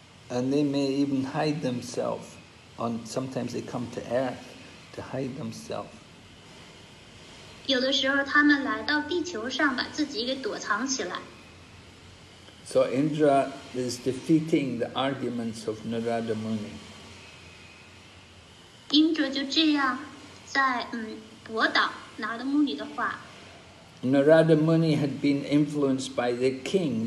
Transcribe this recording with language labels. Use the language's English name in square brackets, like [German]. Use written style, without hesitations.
[English] And they may even hide themselves. Sometimes they come to Earth to hide themselves. [Chinese] 有的时候他们来到地球上把自己给躲藏起来。 [English] So Indra is defeating the arguments of Narada Muni. [Chinese] Indra 就这样在驳倒 Narada Muni 的话。 [English] Narada Muni had been influenced by the king.